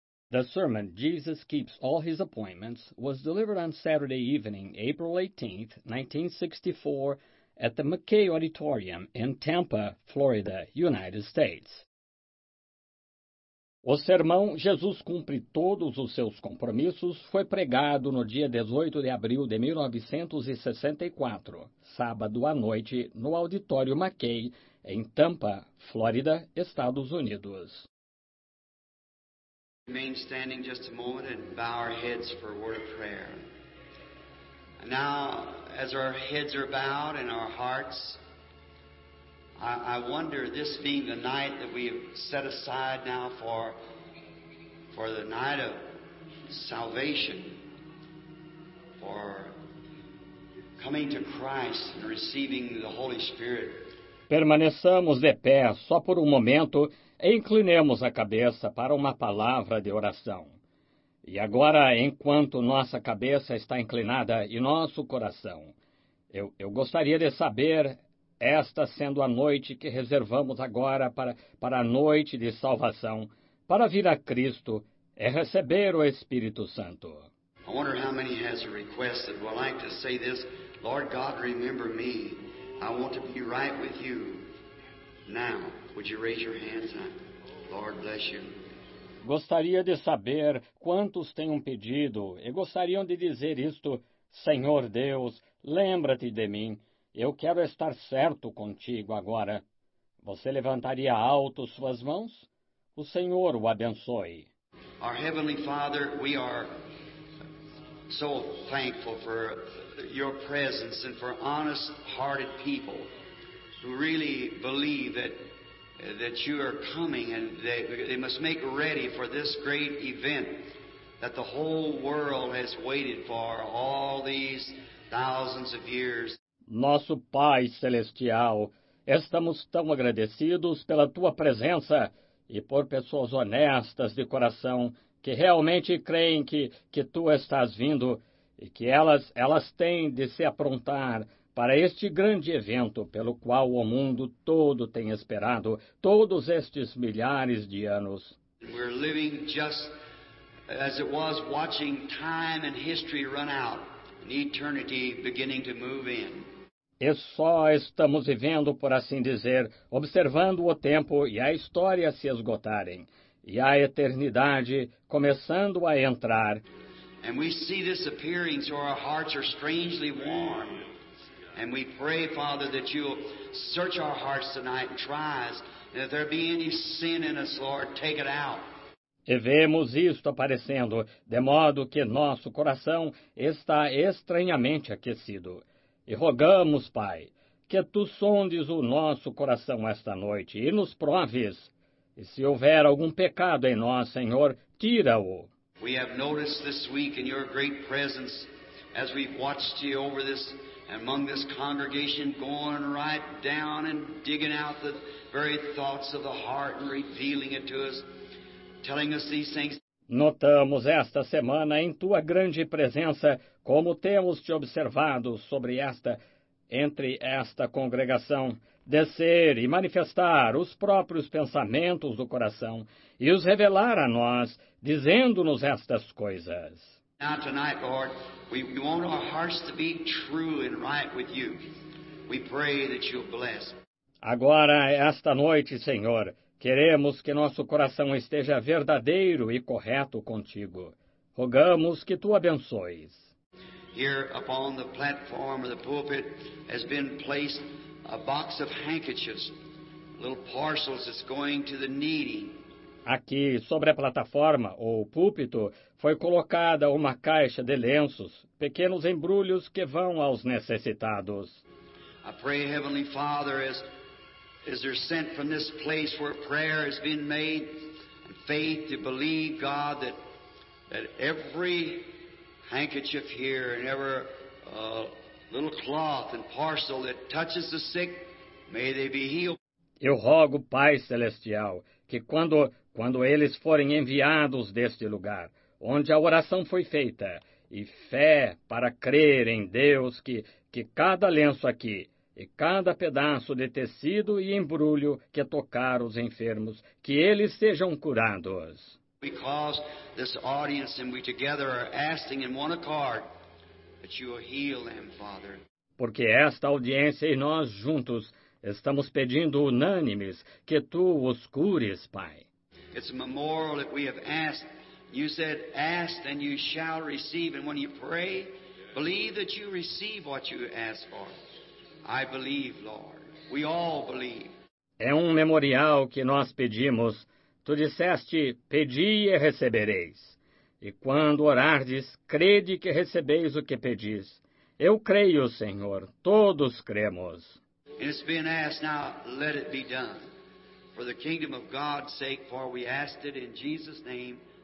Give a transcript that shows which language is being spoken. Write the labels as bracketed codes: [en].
[en] The sermon, Jesus Keeps All His Appointments, was delivered on Saturday evening, April 18, 1964, at the McKay Auditorium in Tampa, Florida, United States. [pt] O sermão Jesus Cumpre Todos os Seus Compromissos foi pregado no dia 18 de abril de 1964, sábado à noite, no Auditório McKay, em Tampa, Flórida, Estados Unidos. [en] Remain standing just a moment and bow our heads for a word of prayer. Now, as our heads are bowed and our hearts, I wonder, this being the night that we have set aside now for the night of salvation, for coming to Christ and receiving the Holy Spirit. [pt] Permaneçamos de pé só por um momento e inclinemos a cabeça para uma palavra de oração. E agora, enquanto nossa cabeça está inclinada e nosso coração, eu gostaria de saber, esta sendo a noite que reservamos agora para a noite de salvação, para vir a Cristo e receber o Espírito Santo. [en] I wonder how many has a request that would like to say this, Lord God, remember me. I want to be right with you now. Would you raise your hands up? Lord bless you. [pt] Gostaria de saber quantos têm um pedido e gostariam de dizer isto, Senhor Deus, lembra-te de mim. Eu quero estar certo contigo agora. Você levantaria alto suas mãos? O Senhor o abençoe. [en] Our Heavenly Father, we are so thankful for your presence and for honest-hearted people who really believe that you are coming and they must make ready for this great event that the whole world has waited for all these thousands of years. [pt] Nosso Pai Celestial, estamos tão agradecidos pela Tua presença e por pessoas honestas de coração que realmente creem que Tu estás vindo e que elas têm de se aprontar para este grande evento pelo qual o mundo todo tem esperado todos estes milhares de anos. [en] We're living just as it was, watching time and history run out, and eternity beginning to move in. [pt] E só estamos vivendo, por assim dizer, observando o tempo e a história se esgotarem, e a eternidade começando a entrar. [en] And we see this appearing, so our hearts are strangely warm. And we pray, Father, that you'll search our hearts tonight and try us. And if there be any sin in us, Lord, take it out. [pt] E vemos isto aparecendo, de modo que nosso coração está estranhamente aquecido. E rogamos, Pai, que Tu sondes o nosso coração esta noite e nos proves. E se houver algum pecado em nós, Senhor, tira-o. [en] We have noticed this week in your great presence as we've watched you over this and among this congregation going right down and digging out the very thoughts of the heart and revealing it to us, telling us these things. [pt] Notamos esta semana em Tua grande presença como temos Te observado sobre esta, entre esta congregação, descer e manifestar os próprios pensamentos do coração e os revelar a nós, dizendo-nos estas coisas. [en] Now tonight, Lord, we want our hearts to be true and right with You. We pray that You'll bless. [pt] Agora, esta noite, Senhor, queremos que nosso coração esteja verdadeiro e correto contigo. Rogamos que Tu abençoes. [en] Here upon the platform of the pulpit has been placed a box of handkerchiefs, little parcels that's going to the needy. [pt] Aqui, sobre a plataforma ou púlpito, foi colocada uma caixa de lenços, pequenos embrulhos que vão aos necessitados. [en] I pray, Heavenly Father, as they're sent from this place where prayer has been made, and faith to believe, God, that every handkerchief here and every little cloth and parcel that touches the sick, may they be healed. [pt] Eu rogo, Pai Celestial, que quando eles forem enviados deste lugar, onde a oração foi feita, e fé para crer em Deus que cada lenço aqui e cada pedaço de tecido e embrulho que tocar os enfermos, que eles sejam curados. [en] because this audience and we together are asking in one accord that you will heal them, Father. [pt] Porque esta audiência e nós juntos estamos pedindo unânimes que tu os cures, Pai. [en] It's a memorial that we have asked. You said, ask and you shall receive. And when you pray, believe that you receive what you ask for. I believe, Lord. We all believe. [pt] É memorial que nós pedimos. Tu disseste, pedi e recebereis. E quando orardes, crede que recebeis o que pedis. Eu creio, Senhor. Todos cremos. [en] It's been asked now, let it be done. For the kingdom of God's sake, for we asked it in Jesus' name.